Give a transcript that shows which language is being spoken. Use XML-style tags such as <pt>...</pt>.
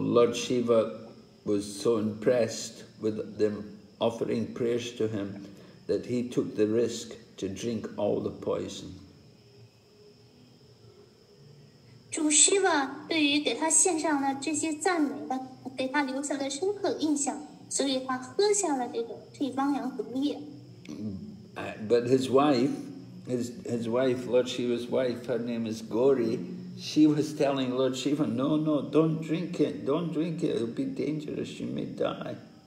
<en>Lord Shiva was so impressed with them offering prayers to him that he took the risk to drink all the poison.</en> <zh>主Shiva对于给他献上了这些赞美的，给他留下了深刻印象。</zh> <en>But his wife, Lord Shiva's wife, her name is Gauri, she was telling Lord Shiva, no, no, don't drink it, it'll be dangerous, you may die.</en>